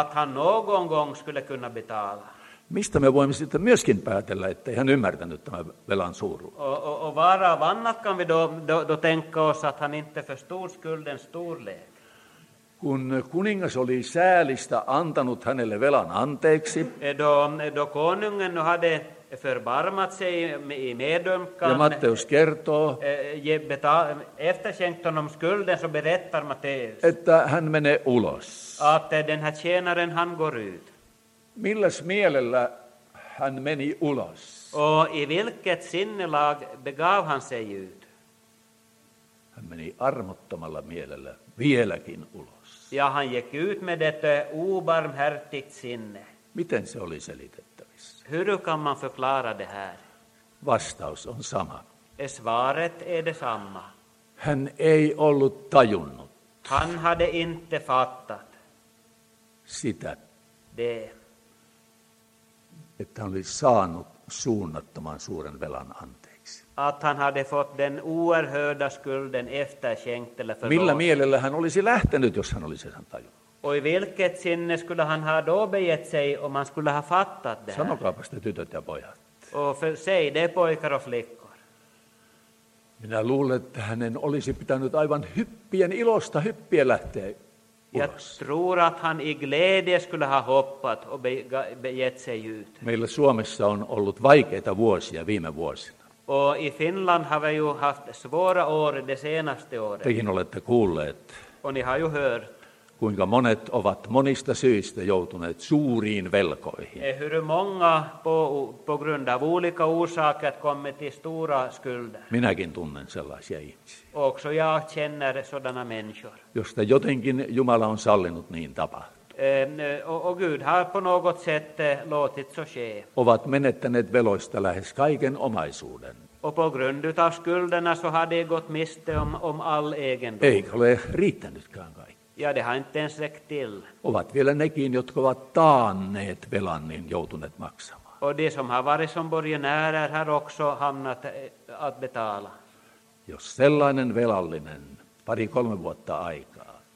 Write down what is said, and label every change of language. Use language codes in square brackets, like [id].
[sv] Att han någon gång skulle kunna betala. [fi] Mistä me voimme sitten myöskin päätellä, että hän ymmärtänyt tämän velan suuruuden? [sv] Och varav annat kan vi då tänka oss att han inte förstod skuldens storlek? [fi] Kun kuningas oli säälistä antanut hänelle velan anteeksi. [sv] Då konungen hade förbarmat sig i medömkan. [fi] Ja Matteus kertoo. [sv] Efterskänkt honom skulden så berättar Matteus. [fi] Että hän menee ulos. [sv] Att den här tjänaren han går ut. [fi] Milläs mielellä hän meni ulos? [sv] Och i vilket sinnelag begav han sig ut? [fi] Hän meni armottomalla mielellä vieläkin ulos. [sv] Ja han gick ut med ett obarmhärtigt sinne. [fi] Miten se oli selitettävissä? [sv] Hur kan man förklara det här? [fi] Vastaus on sama. [sv] Svaret är detsamma. [fi] Hän ei ollut tajunnut. [sv] Han hade inte fattat. [fi] Sitä. [sv] Det. [fi] Että hän oli saanut suunnattoman suuren velan anteeksi. [sv] Att han hade fått den oerhörda skulden efterskänkt eller förlåt. [fi] Millä mielellä hän olisi lähtenyt, jos hän olisi sen tajunnut? [sv] Oi vilket sinne skulle han ha då begett sig om han skulle ha fattat det här. [fi] Sanokaapa sitä tytöt ja pojat. [sv] Och för sig det pojkar och flickor. [fi] Minä luulen, että hänen olisi pitänyt aivan hyppien ilosta hyppien lähteä. [sv] Jag tror att han i glädje skulle ha hoppat och begett sig ut. [fi] Meillä Suomessa on ollut vaikeita vuosia viime vuosina. [sv] Och i Finland har vi ju haft svåra år de senaste åren. [fi] Tekin olette kuulleet. [sv] Och ni har ju hört. [fi] Kuinka monet ovat monista syistä joutuneet suuriin velkoihin. [sv] Hur många på grund av olika orsaker kommit till stora skulder. [fi] Minäkin tunnen sellaisia ihmisiä. [sv] Också jag känner sådana människor. [fi] Josta jotenkin Jumala on sallinut niin tapahtua. [sv] Och Gud har på något sätt låtit så ske. [fi] Ovat menettäneet veloista lähes kaiken omaisuuden. [sv] Och på grund av skulderna så har de gått miste om all egendom. [fi] Eikä ole riittänytkään kaikkea. [sv] Ja det har inte ens räckt till. [fi] Ovat vielä nekin, jotka ovat taanneet velan, niin joutuneet maksamaan. [sv] Och de som har varit som borgenärer har också hamnat att betala. [fi] Jos sellainen velallinen pari kolme vuotta aikaa.